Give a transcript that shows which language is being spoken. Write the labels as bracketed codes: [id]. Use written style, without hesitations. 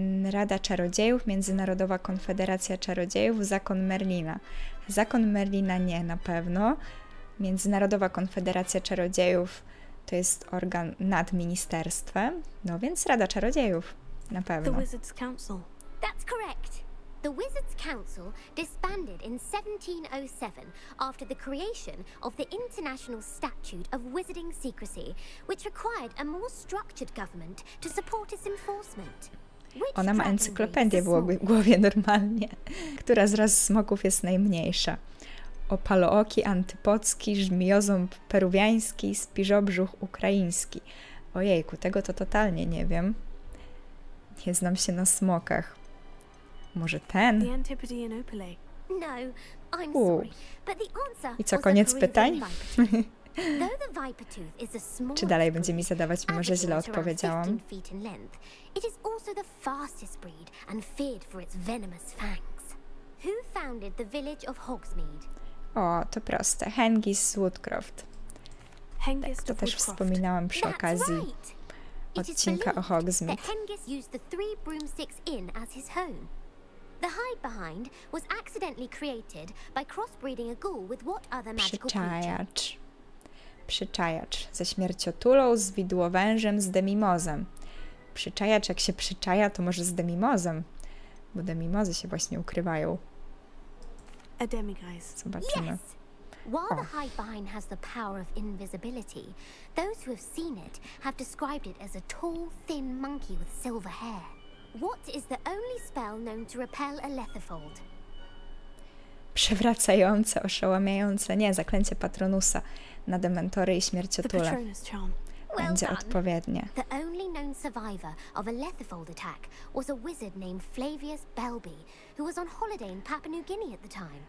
[pl] Rada Czarodziejów, Międzynarodowa Konfederacja Czarodziejów, Zakon Merlina. Zakon Merlina nie, na pewno. Międzynarodowa Konfederacja Czarodziejów to jest organ nad ministerstwem. No więc Rada Czarodziejów, na pewno. [en] The Wizards Council. That's correct. The Wizards Council disbanded in 1707 after the creation of the International Statute of Wizarding Secrecy, which required a more structured government to support its enforcement. Which [pl] ona ma encyklopedię w głowie normalnie. Która z ras smoków jest najmniejsza? Opalooki antypocki, żmijoząb peruwiański, spiżobrzuch ukraiński. Ojejku, tego to totalnie nie wiem. Nie znam się na smokach. Może ten? [en] The Antipodean Opale. No, I'm sorry, but the answer [pl] i co, koniec pytań? [en] The viper tooth is a small [pl] czy dalej będzie mi zadawać, może źle odpowiedziałam? [en] It is also the fastest breed and feared for its venomous fangs. Who founded the village of Hogsmeade? [pl] O, to proste. Hengist Woodcroft. Hengist tak, to Woodcroft. Też wspominałam przy okazji [en] right. [pl] Odcinka o Hogsmeade. [en] Hengist used the three broomsticks in as his home. The hide behind was accidentally created by crossbreeding a ghoul with what other magical creature? [pl] Przyczajacz. Przyczajacz. Ze śmierciotulą, z widłowężem, z demimozem. Przyczajacz, jak się przyczaja, to może z demimozem. Bo demimozy się właśnie ukrywają. [en] A demiguise. [pl] Zobaczymy. [en] Yes. While the hide behind has the power of invisibility, those who have seen it have described it as a tall, thin monkey with silver hair. What is the only spell known to repel a Letherfold? [pl] Przewracające, oszałamiające, nie, zaklęcie Patronusa na dementory i śmierciotule. Będzie odpowiednie. [en] The only known survivor of a Letherfold attack was a wizard named Flavius Belby, who was on holiday in Papua New Guinea at the time.